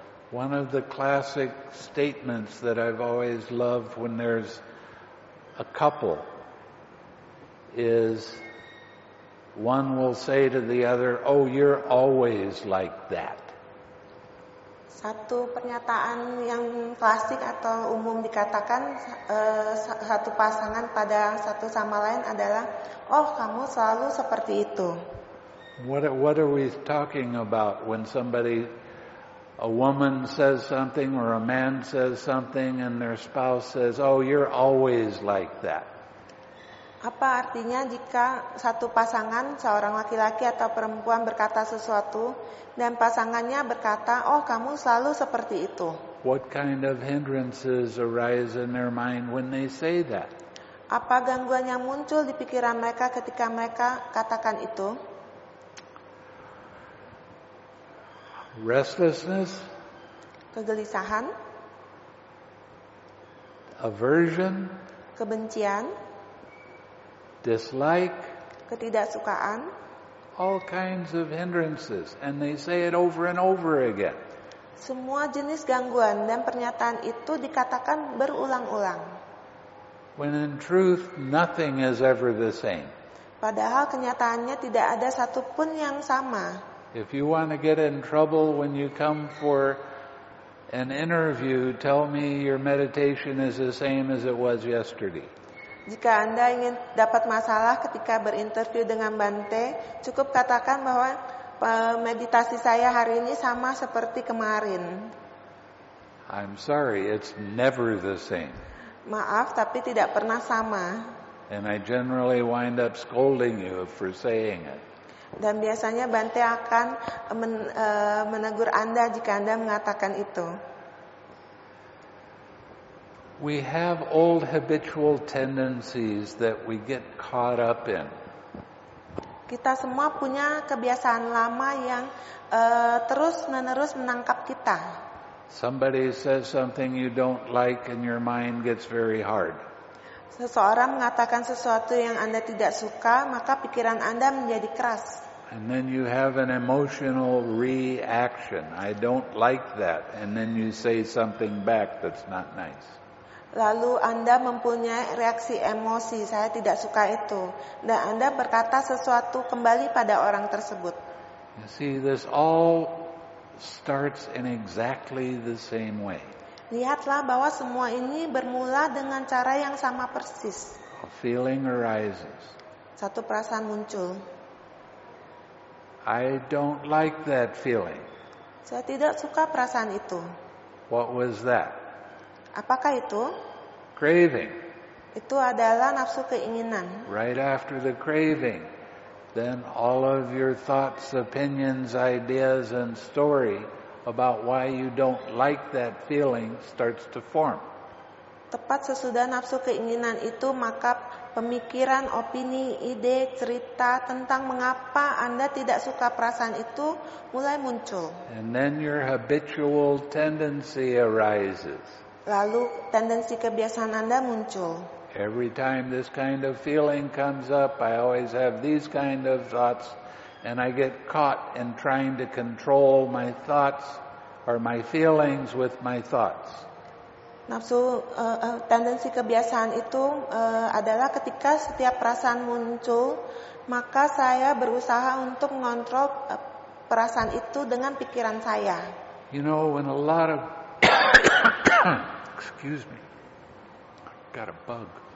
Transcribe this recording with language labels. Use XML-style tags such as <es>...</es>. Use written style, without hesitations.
<en>One of the classic statements that I've always loved when there's a couple is one will say to the other, "Oh, you're always like that."</en> <id>Satu pernyataan yang klasik atau umum dikatakan satu pasangan pada satu sama lain adalah, "Oh, kamu selalu seperti itu."</id> <en>What are we talking about when somebody, a woman says something or a man says something and their spouse says, "Oh, you're always like that"?</en> <id>Apa artinya jika satu pasangan, seorang laki-laki atau perempuan berkata sesuatu dan pasangannya berkata, "Oh, kamu selalu seperti itu"?</id> <en>What kind of hindrances arise in their mind when they say that?</en> <id>Apa gangguan yang muncul di pikiran mereka ketika mereka katakan itu?</id> <en>Restlessness,</en> <id>kegelisahan,</id> <en>aversion,</en> <id>kebencian,</id> <en>dislike,</en> <id>ketidaksukaan,</id> <en>all kinds of hindrances, and they say it over and over again.</en> <id>Semua jenis gangguan dan pernyataan itu dikatakan berulang-ulang.</id> <en>When in truth, nothing is ever the same.</en> <id>Padahal kenyataannya tidak ada satu pun yang sama.</id> <en>If you want to get in trouble when you come for an interview, tell me your meditation is the same as it was yesterday.</en> <id>Jika Anda ingin dapat masalah ketika berinterview dengan Bante, cukup katakan bahwa meditasi saya hari ini sama seperti kemarin.</id> <en>I'm sorry, it's never the same.</en> <id>Maaf, tapi tidak pernah sama.</id> <en>And I generally wind up scolding you for saying it.</en> <id>Dan biasanya Bante akan menegur Anda jika Anda mengatakan itu.</id> <en>We have old habitual tendencies that we get caught up in.</en> <id>Kita semua punya kebiasaan lama yang terus-menerus menangkap kita.</id> <en>Somebody says something you don't like and your mind gets very hard.</en> <id>Seseorang mengatakan sesuatu yang Anda tidak suka, maka pikiran Anda menjadi keras.</id> <en>And then you have an emotional reaction. I don't like that. And then you say something back that's not nice.</en> <id>Lalu Anda mempunyai reaksi emosi, saya tidak suka itu. Dan Anda berkata sesuatu kembali pada orang tersebut.</id> <en>You see, this all starts in exactly the same way.</en> <id>Lihatlah bahwa semua ini bermula dengan cara yang sama persis.</id> <en>A feeling arises.</en> <id>Satu perasaan muncul.</id> <en>I don't like that feeling.</en> <id>Saya tidak suka perasaan itu.</id> <en>What was that?</en> <id>Apakah itu?</id> <en>Craving.</en> <id>Itu adalah nafsu keinginan.</id> <en>Right after the craving, then all of your thoughts, opinions, ideas, and story about why you don't like that feeling starts to form.</en> <id>Tepat sesudah nafsu keinginan itu, maka pemikiran, opini, ide, cerita tentang mengapa Anda tidak suka perasaan itu mulai muncul.</id> <en>And then your habitual tendency arises.</en> <id>Lalu tendensi kebiasaan Anda muncul.</id> <en>Every time this kind of feeling comes up, I always have these kind of thoughts, and I get caught in trying to control my thoughts or my feelings with my thoughts.</en> <id>Nafsu tendensi kebiasaan itu adalah ketika setiap perasaan muncul, maka saya berusaha untuk mengontrol perasaan itu dengan pikiran saya.</id> <en>You know, when a lot of excuse me, got a bug.</en>